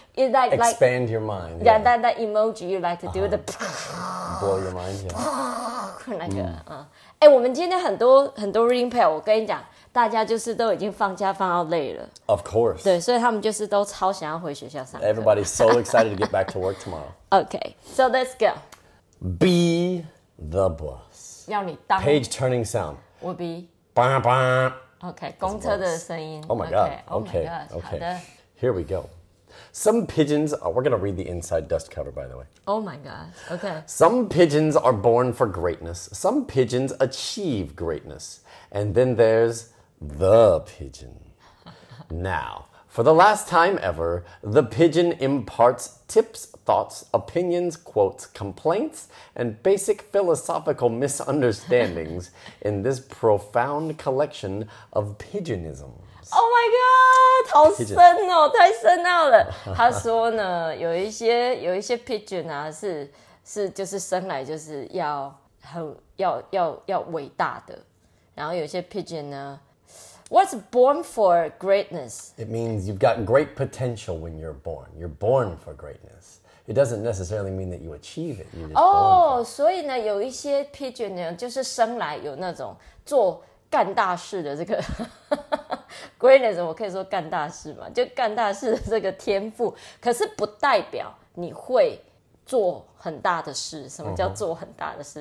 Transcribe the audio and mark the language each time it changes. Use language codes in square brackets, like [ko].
[en] it like expand your mind. Yeah, that emoji you like to do the blow your mind. Yeah. [zh] 那个啊，我们今天很多 reading pair， 我跟你讲，大家就是都已经放假放到累了。 [en] Of course. [zh] 对，所以他们就是都超想要回学校上课。 [en] Everybody's so excited to get back to work tomorrow. Okay, so let's go. Be the bus. [zh] 要你当 [en] page turning sound. Will be. Okay, [zh] 公车的声音。 [en] Oh my god. Okay, okay. Here we go. Some pigeons, we're going to read the inside dust cover, by the way. Oh my god. Okay. Some pigeons are born for greatness. Some pigeons achieve greatness. And then there's the pigeon. Now, for the last time ever, the pigeon imparts tips, thoughts, opinions, quotes, complaints, and basic philosophical misunderstandings in this profound collection of pigeonisms. Oh my god! [zh] 好深哦，太深奥了。他说呢，有一些 pigeon 啊，是就是生来就是要很要伟大的，然后有些 pigeon 呢。 [en] What's born for greatness? It means you've got great potential when you're born. You're born for greatness. It doesn't necessarily mean that you achieve it. You're just born for it. [zh] 所以呢，有一些 pigeon 呢，就是生来有那种做干大事的这个greatness， 我可以说干大事嘛，就干大事的这个天赋。可是不代表你会做很大的事。什么叫做很大的事？